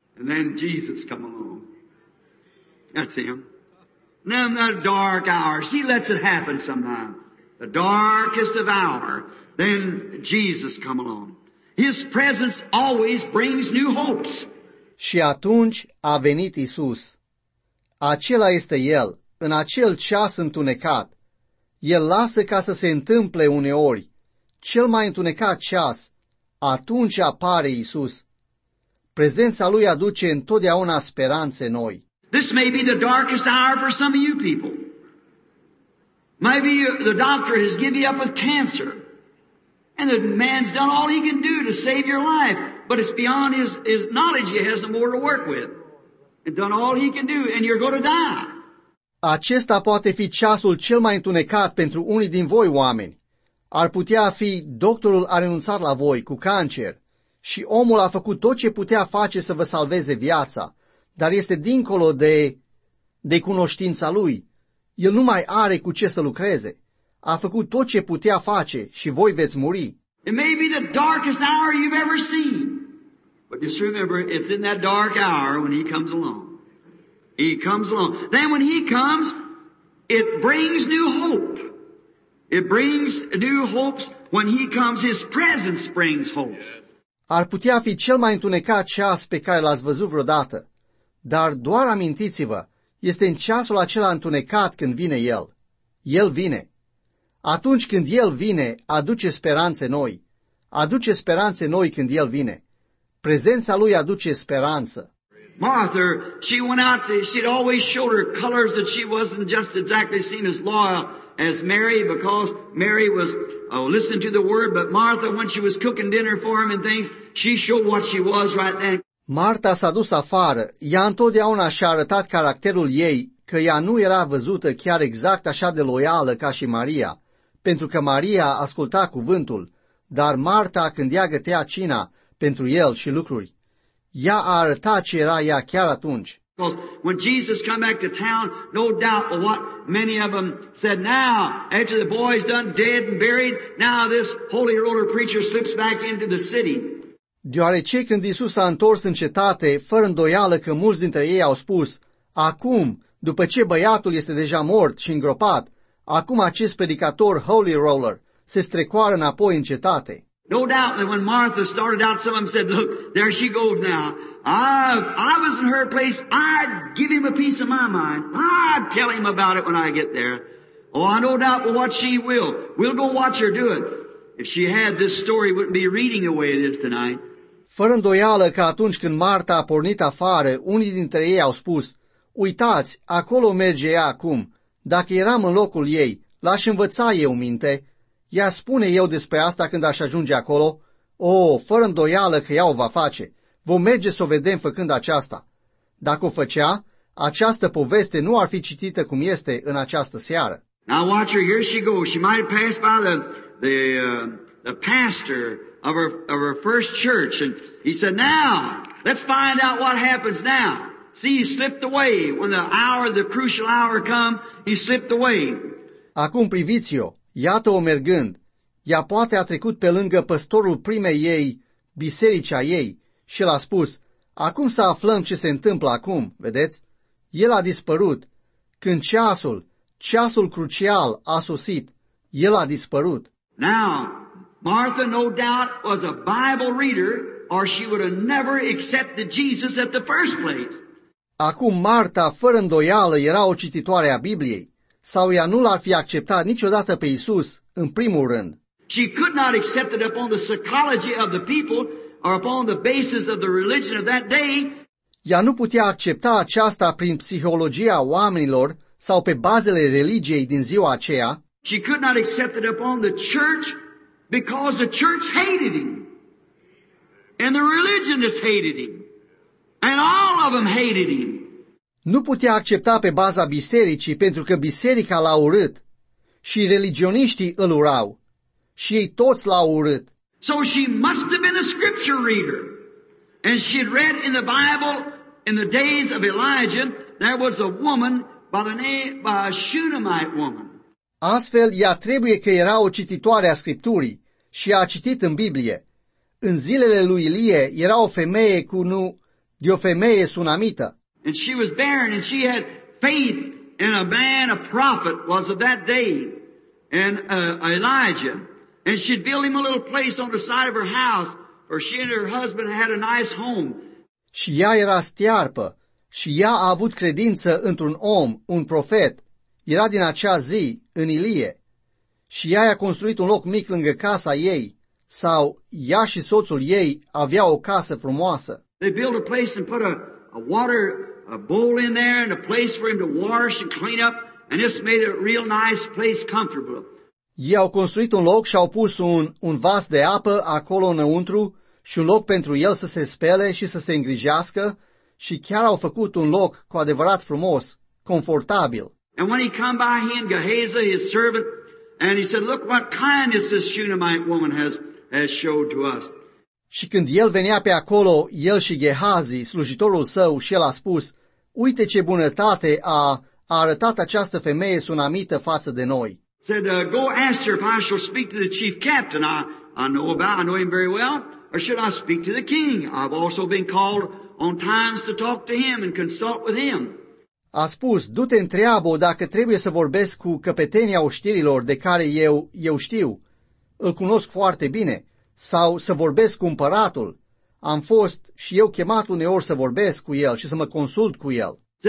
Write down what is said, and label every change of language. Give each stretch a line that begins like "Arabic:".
English: And then Jesus come along. That's him. Now in that dark hour, she lets it happen sometime. The darkest of hour, then Jesus come along. His presence always brings new hopes.
Romanian: Și atunci a venit Iisus. Acela este El, în acel ceas întunecat. El lasă ca să se întâmple uneori. Cel mai întunecat ceas, atunci apare Iisus. Prezența Lui aduce întotdeauna speranțe noi.
English: This may be the darkest hour for some of you people. Maybe the doctor has given you up with cancer. And the man's done all he can do to save your life. But it's beyond his knowledge, he has no more to work with. And done all he can do, and you're going to die.
Romanian: Acesta poate fi ceasul cel mai întunecat pentru unii din voi oameni. Ar putea fi doctorul a renunțat la voi cu cancer și omul a făcut tot ce putea face să vă salveze viața, dar este dincolo de cunoștința lui. El nu mai are cu ce să lucreze. A făcut tot ce putea face și voi veți muri.
English: It may be the darkest hour you've ever seen, but just remember, it's in that dark hour when he comes along. He comes along. Then when he comes, it brings new hope. It brings new hopes when he comes. His presence brings hope.
Romanian: Ar putea fi cel mai întunecat ceas pe care l-ați văzut vreodată, dar doar amintiți-vă, este în ceasul acela întunecat când vine el. El vine. Atunci când el vine, aduce speranțe noi. Aduce speranțe noi când el vine. Prezența lui aduce speranță.
English: Martha, she went out, she'd always showed her colors that she wasn't just exactly seen as loyal as Mary, because Mary was, listened to the word, but Martha, when she was cooking dinner for him and things, she showed what she was right then.
Romanian: Martha s-a dus afară, ea întotdeauna și-a arătat caracterul ei, că ea nu era văzută chiar exact așa de loială ca și Maria, pentru că Maria asculta cuvântul, dar Martha, când ea gătea cina pentru el și lucruri, ea a arătat ce era ea chiar atunci.
English: Because when Jesus come back to town, no doubt what many of them said, now, after the boy's done dead and buried, now this holy roller preacher slips back into the city.
Romanian: Deoarece când Iisus s-a întors în cetate, fără îndoială că mulți dintre ei au spus, acum, după ce băiatul este deja mort și îngropat, acum acest predicator
English: holy roller
Romanian: se strecoară înapoi în cetate.
English: No doubt that when Martha started out, some of them said, look, there she goes now. I was in her place. I'd give him a piece of my mind. I'd tell him about it when I get there. Oh, I no doubt what she will. We'll go watch her do it. If she had, this story wouldn't be reading the way it is tonight.
Romanian: Fără îndoială că atunci când Marta a pornit afară, unii dintre ei au spus, uitați, acolo merge ea acum. Dacă eram în locul ei, l-aș învăța eu minte. Ea spune eu despre asta când aș ajunge acolo. Oh, fără îndoială că ea o va face. Vom merge să o vedem făcând aceasta. Dacă o făcea, această poveste nu ar fi citită cum este în această seară.
English: Now watch her, here she goes. She might pass by the pastor of her first church, and he said, "Now, let's find out what happens now." See, he slipped away when the crucial hour come. He slipped away.
Romanian: Acum priviți-o, iată-o mergând. Ea poate a trecut pe lângă păstorul primei ei, bisericii ei, și l-a spus, acum să aflăm ce se întâmplă acum, vedeți? El a dispărut. Când ceasul crucial a sosit, el a dispărut.
English: Now, Martha no doubt was a Bible reader or she would have never accepted Jesus at the first place.
Romanian: Acum Marta, fără îndoială, era o cititoare a Bibliei, sau ea nu l-ar fi acceptat niciodată pe Iisus în primul rând.
English: She could not accept it upon the psychology of the people or upon the basis of the religion of that day.
Romanian: Ea nu putea accepta aceasta prin psihologia oamenilor sau pe bazele religiei din ziua aceea.
English: She could not accept it upon the church because the church hated him. And the religionists hated him. And all of them hated him.
Romanian: Nu putea accepta pe baza bisericii pentru că biserica l-a urât și religioniștii îl urau. Și ei toți l-au urât.
English: So she must have been a scripture reader. And she had read in the Bible in the days of Elijah there was a woman by the name of a Shunammite woman.
Romanian: Astfel, ea trebuie că era o cititoare a Scripturii și a citit în Biblie. În zilele lui Ilie era o femeie de o femeie sunamită.
English: And she was barren and she had faith in a man, a prophet was of that day, and Elijah. And she'd build him a little place on the side of her house, for she and her husband had a nice home.
Romanian: Și ea era stearpă, și ea a avut credință într-un om, un profet. Era din acea zi, în Ilie. Și ea i-a construit un loc mic lângă casa ei, sau ea și soțul ei aveau o casă frumoasă.
English: They built a place and put a water bowl in there and a place for him to wash and clean up, and this made a real nice place comfortable.
Romanian: Ei au construit un loc și au pus un vas de apă acolo înăuntru și un loc pentru el să se spele și să se îngrijească și chiar au făcut un loc cu adevărat frumos, confortabil.
English: And when he come by, he and Gehazi, his servant, and he said, look what kindness this Shunammite woman has showed to us.
Romanian: Și când el venea pe acolo, el și Gehazi, slujitorul său, și el a spus, uite ce bunătate a arătat această femeie sunamită față de noi.
English: Said, go ask her if I shall speak to the chief captain. I know him very well. Or should I speak to the king? I've also been called on times to talk to him and consult with him.
Romanian: A spus, du-te întreabă dacă trebuie să vorbesc cu căpetenia oștirilor de care eu știu. Îl cunosc foarte bine. Sau să vorbesc cu împăratul. Am fost și eu chemat uneori să vorbesc cu el și să mă consult cu el.